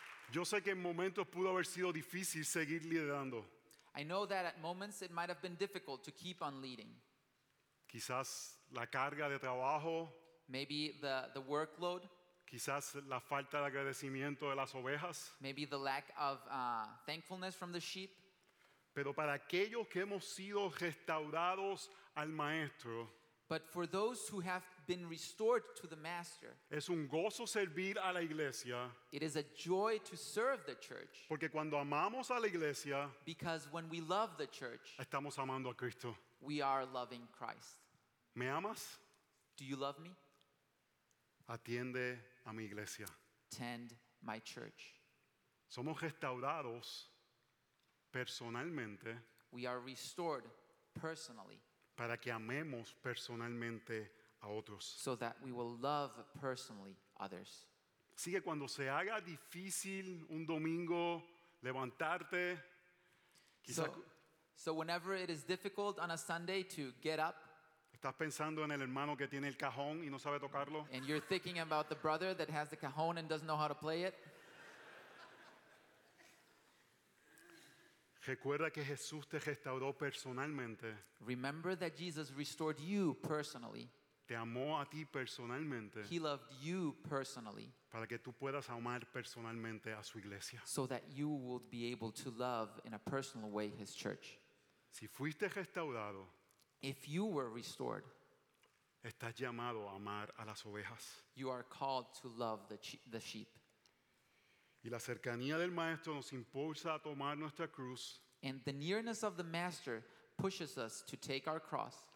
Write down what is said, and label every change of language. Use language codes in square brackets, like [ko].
[es] Yo sé que en momentos pudo haber sido difícil seguir liderando. [en] I know that at moments it might have been difficult to keep on leading. [es] Quizás la carga de trabajo. [en] Maybe the workload. [es] Quizás la falta de agradecimiento de las ovejas. [en] Maybe the lack of thankfulness from the sheep. [es] Pero para aquellos que hemos sido restaurados al maestro. [en] But for those who have been restored to the master. [es] Es un gozo servir a la iglesia. [en] It is a joy to serve the church. [es] Porque cuando amamos a la iglesia. [en] Because when we love the church. [es] Estamos amando a Cristo. [en] We are loving Christ. [es] ¿Me amas? [en] Do you love me? [es] Atiende a mi iglesia. [en] Tend my church. [es] Somos restaurados personalmente. [en] We are restored personally. [es] Para que amemos personalmente a otros. [en] So that we will love personally others. [es] Así que cuando se haga difícil un domingo levantarte, quizás. [en] So whenever it is difficult on a Sunday to get up, [es] estás pensando en el hermano que tiene el cajón y no sabe tocarlo. [en] And you're thinking about the brother that has the cajón and doesn't know how to play it. [es] Recuerda que Jesús te restauró personalmente. [en] Remember that Jesus restored you personally. [es] Te amó a ti personalmente. [en] He loved you personally. [es] Para que tú puedas amar personalmente a su iglesia. [en] So that you would be able to love in a personal way his church. [es] Si fuiste restaurado, [en] if you were restored, [es] estás llamado a amar a las ovejas. [en] You are called to love the sheep. [es] Y la cercanía del maestro nos impulsa a tomar nuestra cruz. [en] And the nearness of the master pushes us to take our cross.